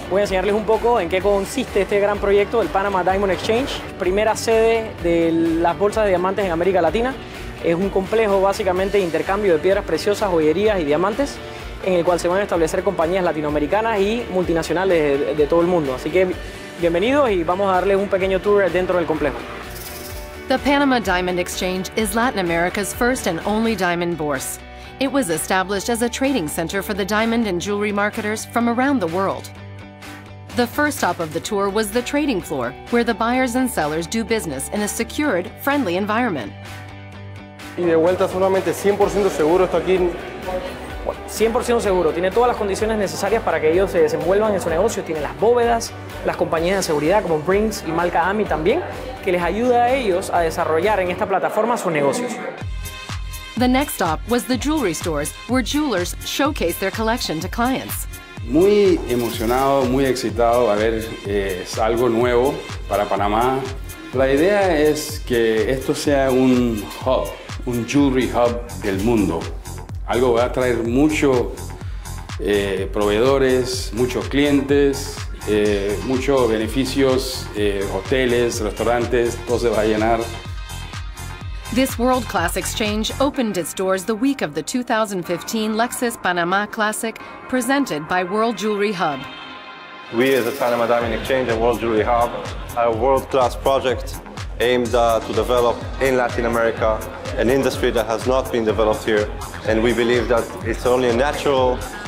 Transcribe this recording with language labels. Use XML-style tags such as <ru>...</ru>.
<es>Voy a enseñarles un poco en qué consiste este gran proyecto del Panama Diamond Exchange, primera sede de las bolsas de diamantes en América Latina. Es un complejo básicamente de intercambio de piedras preciosas, joyerías y diamantes, en el cual se van a establecer compañías latinoamericanas y multinacionales de todo el mundo. Así que bienvenidos y vamos a darles un pequeño tour dentro del complejo.</es> <en>The Panama Diamond Exchange is Latin America's first and only diamond bourse. It was established as a trading center for the diamond and jewelry marketers from around the world. The first stop of the tour was the trading floor, where the buyers and sellers do business in a secured, friendly environment.</en> <es>Y de vuelta solamente 100% seguro está aquí. 100% seguro. Tiene todas las condiciones necesarias para que ellos se desenvuelvan en su negocio. Tiene las bóvedas, las compañías de seguridad como Brinks y Malca AMI también, que les ayuda a ellos a desarrollar en esta plataforma sus negocios.</es> <en>The next stop was the jewelry stores, where jewelers showcase their collection to clients.</en> <es>Muy emocionado, muy excitado. A ver, es algo nuevo para Panamá. La idea es que esto sea un hub, un jewelry hub del mundo. Algo va a traer muchos proveedores, muchos clientes, muchos beneficios, hoteles, restaurantes, todo se va a llenar.</es> <en>This world-class exchange opened its doors the week of the 2015 Lexus Panama Classic, presented by World Jewelry Hub. We as the Panama Diamond Exchange and World Jewelry Hub are a world-class project aimed to develop in Latin America an industry that has not been developed here. And we believe that it's only a natural</en>